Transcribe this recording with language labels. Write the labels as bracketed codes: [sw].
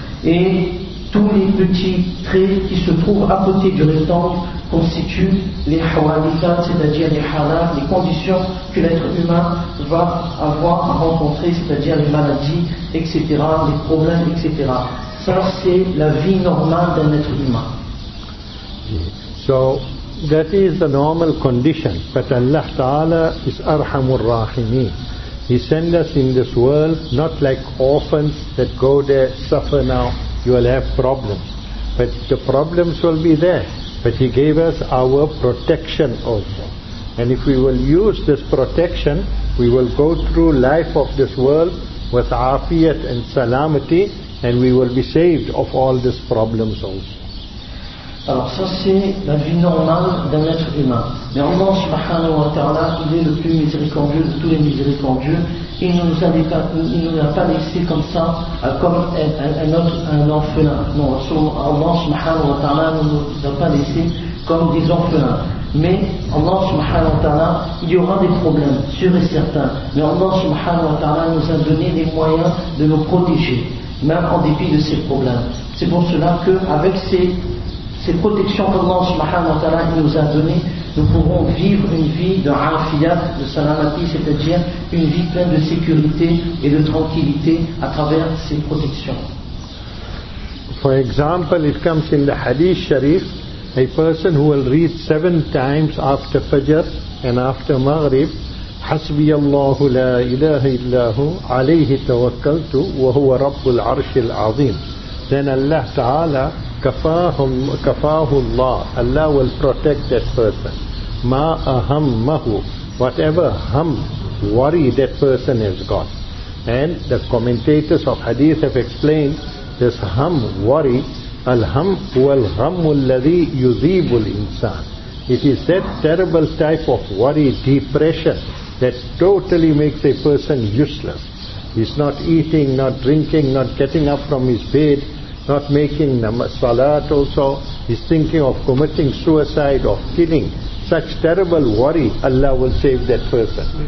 [fr] Et tous les petits traits qui se trouvent à côté du rectangle constituent les hawadithat, c'est-à-dire les halat, les conditions que l'être humain va avoir à rencontrer, c'est-à-dire les maladies, etc., les problèmes, etc. Ça, c'est la vie normale d'un être humain. [en] So, that is the normal condition. But Allah Ta'ala is [ar] arhamur rahimin. [en] He sent us in this world not like orphans that go there, suffer now, you will have problems. But the problems will be there. But he gave us our protection also. And if we will use this protection, we will go through life of this world with afiyat and salamati, and we will be saved of all these problems also. [fr] Alors ça c'est la vie normale d'un être humain. Mais Allah subhanahu wa ta'ala, il est le plus miséricordieux de tous les miséricordieux. Il ne nous a pas, il nous a pas laissé comme ça, comme un orphelin. Non, Allah subhanahu wa ta'ala ne nous a pas laissé comme des orphelins. Mais Allah subhanahu wa ta'ala, il y aura des problèmes, sûr et certain. Mais Allah subhanahu wa ta'ala nous a donné les moyens de nous protéger, même en dépit de ces problèmes. C'est pour cela qu'avec ces protections que Allah subhanahu wa ta'ala nous a données, nous pourrons vivre une vie de afiyat, de salamati, c'est-à-dire une vie pleine de sécurité et de tranquillité à travers ces protections. [en] For example, it comes in the hadith sharif, a person who will read 7 times after Fajr and after Maghrib, [ar] حسبي الله لا إله إلا هو عليه توكلت وهو رب العرش العظيم. [en] Then Allah Ta'ala [ar] كفاه الله. [en] Allah will protect that person. [ar] ما أهمه. [en] Whatever hum, worry that person has got. And the commentators of hadith have explained this hum, worry. [ar] الهم هو الغم الذي يذيب الإنسان. [en] It is that terrible type of worry, depression, that totally makes a person useless. He's not eating, not drinking, not getting up from his bed, not making salat also. He's thinking of committing suicide, of killing. Such terrible worry, Allah will save that person.